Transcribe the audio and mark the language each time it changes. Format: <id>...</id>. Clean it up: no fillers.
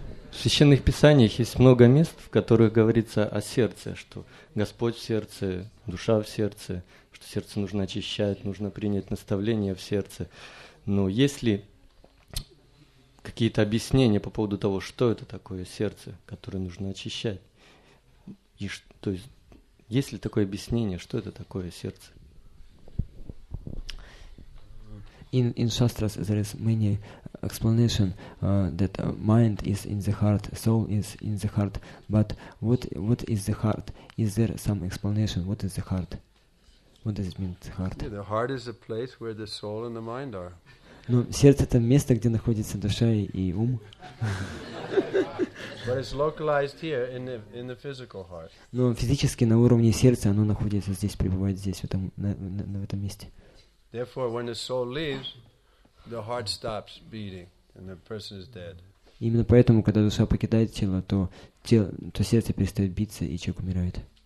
<ru>В священных писаниях есть много мест, в которых говорится о сердце, что Господь в сердце, душа в сердце, что сердце нужно очищать, нужно принять наставление в сердце. Но есть ли какие-то объяснения по поводу того, что это такое сердце, которое нужно очищать? И что, то есть ли такое объяснение, что это такое сердце?</ru> <en>In Shastras there is many explanation that mind is in the heart, soul is in the heart. But what is the heart? Is there some explanation? What is the heart? What does it mean, the heart? Yeah, the heart is the place where the soul and the mind are.</en> <ru>Но сердце это место, где находится душа и ум.</ru> <en>But it's localized here in the physical heart.</en> <ru>Но физически на уровне сердца оно находится здесь, пребывает здесь, в этом месте.</ru> <en>Therefore, when the soul leaves, the heart stops beating, and the person is dead.</en> <ru>Именно поэтому, когда душа покидает тело, то сердце перестает биться и человек умирает.</ru>